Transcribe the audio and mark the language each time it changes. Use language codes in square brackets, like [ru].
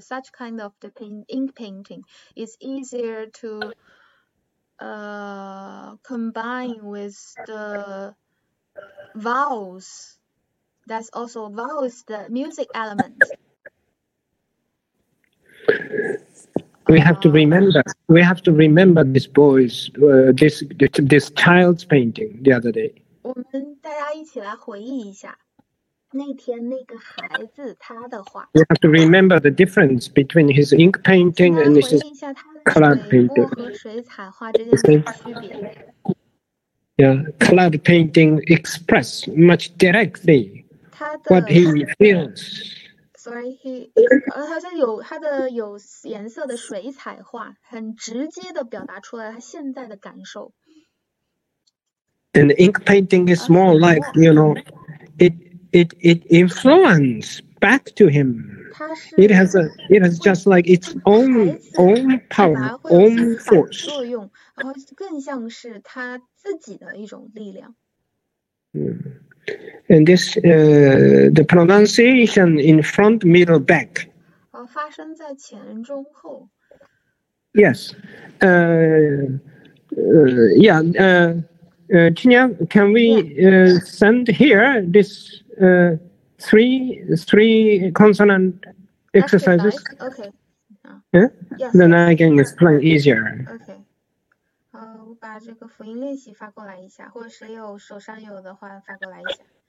[en] Such kind of the ink painting is easier to combine with the vowels. That's also vowels, the music element. We have to remember this boy's, this child's painting the other day. [zh] 我们大家一起来回忆一下，那天那个孩子他的画。 [en] We have to remember the difference between his ink painting and his color painting. [zh] 和水彩画之间的区别。 [en] Yeah, color painting express much directly what he feels. Sorry, he [zh] 他是有他的有颜色的水彩画，很直接的表达出来他现在的感受。 [en] And the ink painting is more like you know, it influences back to him. It has a, it has just like its own own power, own force. [zh] 然后更像是它自己的一种力量。 [en] And this, the pronunciation in front, middle, back. [zh] 发生在前中后。 [en] Yes. Yeah. Qinyang, can we send here this three consonant exercises? Okay. Yeah. Yes. Then I can explain easier. [zh] Okay. 我把这个辅音练习发过来一下，或者谁有手上有的话发过来一下。